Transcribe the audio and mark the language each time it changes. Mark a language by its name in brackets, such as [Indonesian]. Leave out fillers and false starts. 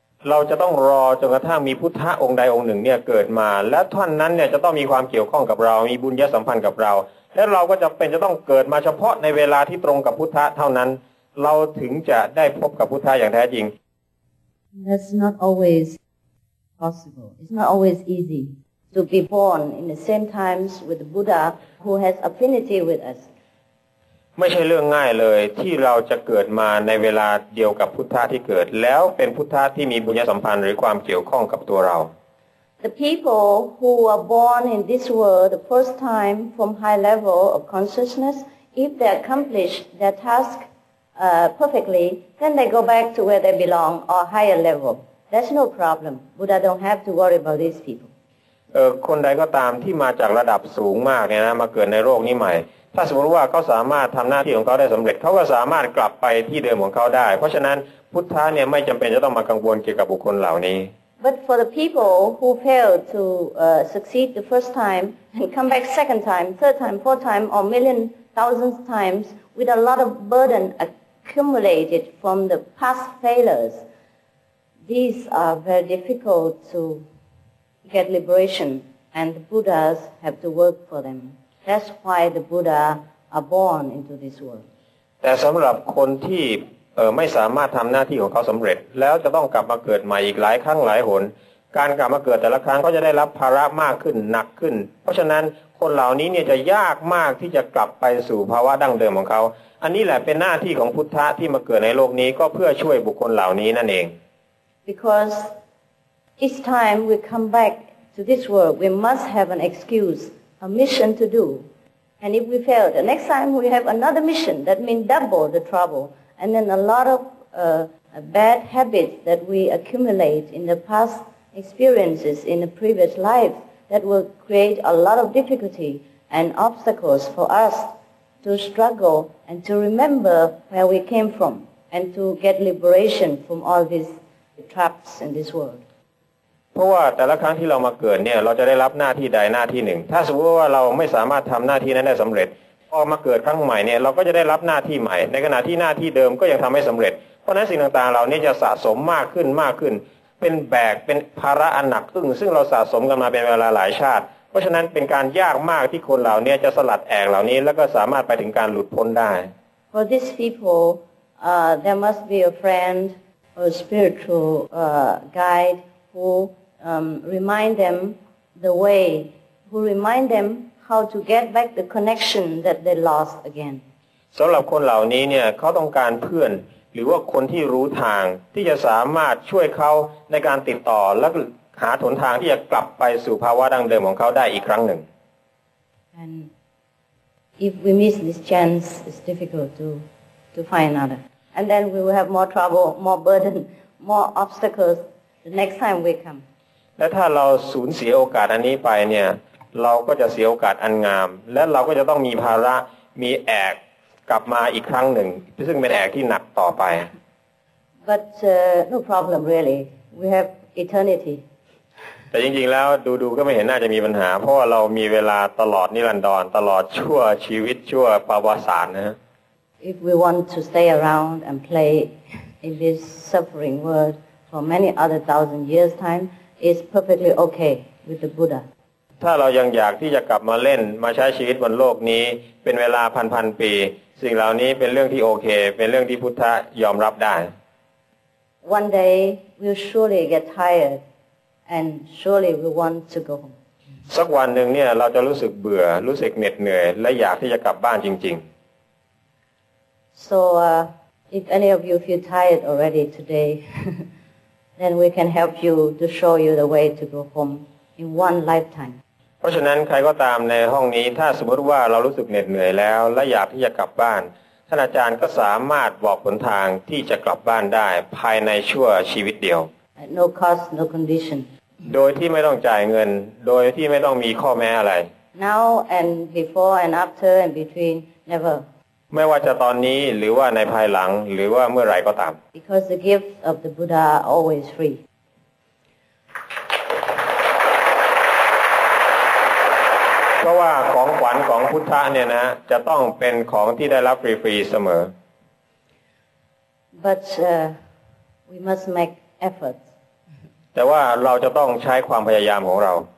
[Thai] เราจะต้องรอจนกระทั่งมีพุทธะองค์ใดองค์หนึ่งเนี่ยเกิดมาและท่านนั้นเนี่ยจะต้องมีความเกี่ยวข้องกับเรามีบุญญสัมพันธ์กับเราและเราก็จะเป็นจะต้องเกิดมาเฉพาะในเวลาที่ตรงกับพุทธะเท่านั้นเราถึงจะได้พบกับพุทธะอย่างแท้จริง [English] That's not always possible. It's not always easy to be born in the same times with the Buddha who has affinity with us. [Thai] ไม่ใช่เรื่องง่ายเลยที่เราจะเกิดมาในเวลาเดียวกับพุทธะที่เกิดแล้วเป็นพุทธะที่มีบุญญสัมพันธ์หรือความเกี่ยวข้องกับตัวเรา [English] The people who are born in this world the first time from high level of consciousness if they accomplish their task perfectly then they go back to where they belong or higher level that's no problem Buddha don't have to worry about these people [Thai] คนใดก็ตามที่มาจากระดับสูงมากเนี่ยนะมาเกิดในโลกนี้ใหม่ถ้าสมมติว่าเขาสามารถทำหน้าที่ของเขาได้สำเร็จเขาก็สามารถกลับไปที่เดิมของเขาได้เพราะฉะนั้นพุทธะเนี่ยไม่จำเป็นจะต้องมากังวลเกี่ยวกับบุคคลเหล่านี้ [English] But for the people who fail to succeed the first time and come back second time, third time, fourth time, or million thousands times with a lot of burden accumulated from the past failures, these are very difficult to get liberation, and the Buddhas have to work for them. That's why the Buddha are born into this world. [Thai] แต่สำหรับคนที่ไม่สามารถทำหน้าที่ของเขาสำเร็จแล้วจะต้องกลับมาเกิดใหม่อีกหลายครั้งหลายหนการกลับมาเกิดแต่ละครั้งก็จะได้รับภาระมากขึ้นหนักขึ้นเพราะฉะนั้นคนเหล่านี้เนี่ยจะยากมากที่จะกลับไปสู่ภาวะดั้งเดิมของเขาอันนี้แหละเป็นหน้าที่ของพุทธะที่มาเกิดในโลกนี้ก็เพื่อช่วยบุคคลเหล่านี้นั่นเอง [English] Because each time we come back to this world, we must have an excuse. A mission to do, and if we fail, the next time we have another mission. That means double the trouble, and then a lot of bad habits that we accumulate in the past experiences in the previous life that will create a lot of difficulty and obstacles for us to struggle and to remember where we came from and to get liberation from all these traps in this world. [Thai] เพราะว่าแต่ละครั้งที่เรามาเกิดเนี่ยเราจะได้รับหน้าที่ใดหน้าที่หนึ่งถ้าสมมติว่าเราไม่สามารถทําหน้าที่นั้นได้สําเร็จพอมาเกิดครั้งใหม่เนี่ยเราก็จะได้รับหน้าที่ใหม่ในขณะที่หน้าที่เดิมก็ยังทําไม่สําเร็จเพราะฉะนั้นสิ่งต่างๆเราเนี่ยจะสะสมมากขึ้นมากขึ้นเป็นแบกเป็นภาระอันหนักอึ้งซึ่งเราสะสมกันมาเป็นเวลาหลายชาติเพราะฉะนั้นเป็นการยากมากที่คนเราเนี่ยจะสลัดแอกเหล่านี้แล้วก็สามารถไปถึงการหลุดพ้นได้ [English] For these people there must be a friend or spiritual guideWho remind them the way? Who remind them how to get back the connection that they lost again? [Thai] สำหรับคนเหล่านี้เนี่ยเขาต้องการเพื่อนหรือว่าคนที่รู้ทางที่จะสามารถช่วยเขาในการติดต่อและหาหนทางที่จะกลับไปสู่ภาวะดั้งเดิมของเขาได้อีกครั้งหนึ่ง [English] And if we miss this chance, it's difficult to find another. And then we will have more trouble, more burden, more obstacles. The next time we come. [Thai] และถ้าเราสูญเสียโอกาสอันนี้ไปเนี่ยเราก็จะเสียโอกาสอันงามและเราก็จะต้องมีภาระมีแอกกลับมาอีกครั้งหนึ่งซึ่งเป็นแอกที่หนักต่อไป [English] But no problem really. We have eternity. [Thai] แต่จริงๆแล้วดูก็ไม่เห็นน่าจะมีปัญหาเพราะเรามีเวลาตลอดนิรันดรตลอดชั่วชีวิตชั่วปวสานนะ [English] If we want to stay around and play in this suffering worldFor many other thousand years time is perfectly okay with the Buddha. [Thai] ถ้าเรายังอยากที่จะกลับมาเล่นมาใช้ชีวิตบนโลกนี้เป็นเวลาพันปีสิ่งเหล่านี้เป็นเรื่องที่โอเคเป็นเรื่องที่พุทธะยอมรับได้ [English] One day we'll surely get tired and surely we want to go home. [Thai] สักวันหนึ่งเนี่ยเราจะรู้สึกเบื่อรู้สึกเหน็ดเหนื่อยและอยากที่จะกลับบ้านจริง [English] ๆ So if any of you feel tired already today. Then we can help you to show you the way to go home in one lifetime. [Thai] เพราะฉะนั้นใครก็ตามในห้องนี้ถ้าสมมติว่าเรารู้สึกเหน็ดเหนื่อยแล้วและอยากที่จะกลับบ้านท่านอาจารย์ก็สามารถบอกหนทางที่จะกลับบ้านได้ภายในชั่วชีวิตเดียว [English] No cost, no condition. [Thai] โดยที่ไม่ต้องจ่ายเงินโดยที่ไม่ต้องมีข้อแม้อะไร [English] Now and before and after and between never [Thai] ไม่ว่าจะตอนนี้หรือว่าในภายหลังหรือว่าเมื่อไรก็ตาม [English] Because the gifts of the Buddha are always free [Thai] เพราะว่าของขวัญของพุทธะเนี่ยนะจะต้องเป็นของที่ได้รับฟรีๆเสมอ [English] But we must make efforts [Thai] แต่ว่าเราจะต้องใช้ความพยายามของเรา